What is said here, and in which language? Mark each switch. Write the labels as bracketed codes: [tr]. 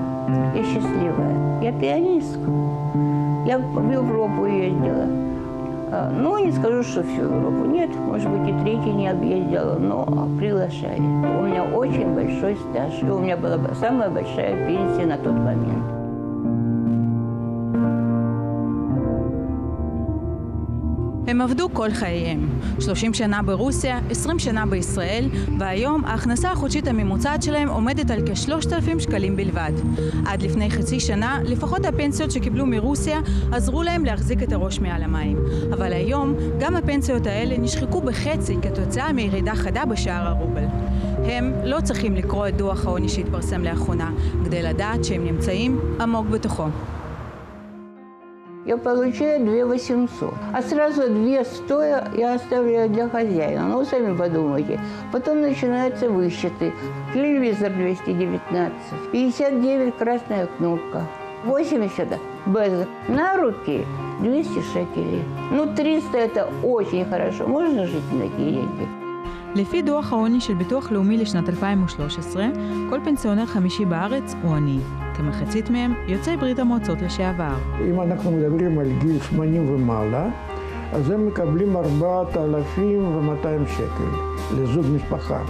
[ru] я счастливая, я пианистка. Я в Европу ездила. Ну, не скажу, что всю Европу. Нет, может быть, и третий не объездила, но приглашали. У меня очень большой стаж, и у меня была самая большая пенсия на тот момент. [he] הם עבדו כל חייהם, 30 שנה ברוסיה, 20 שנה בישראל, והיום ההכנסה החודשית הממוצעת שלהם עומדת על כ-3,000 שקלים בלבד. עד לפני חצי שנה, לפחות הפנסיות שקיבלו מרוסיה עזרו להם להחזיק את הראש מעל המים. אבל היום, גם הפנסיות האלה נשחקו בחצי כתוצאה מירידה חדה בשער הרובל. הם לא צריכים לקרוא את דוח העוני שהתפרסם לאחרונה, כדי לדעת שהם נמצאים עמוק בתוכו. [ru] Я получаю 2800, а сразу 2100 я оставляю для хозяина. Ну, сами подумайте. Потом начинаются высчеты. Телевизор 219, 59 красная кнопка, 80 без. На руки 200 шекелей. Ну, 300 это очень хорошо, можно жить на такие деньги. [he] לפי דוח העוני של ביטוח לאומי לשנת 2013, כל פנסיונר חמישי בארץ הוא עני. כמחצית מהם יוצאי ברית המועצות לשעבר. אם אנחנו מדברים על גיל 80 ומעלה, אז הם מקבלים 4,200 שקל לזוג משפחה.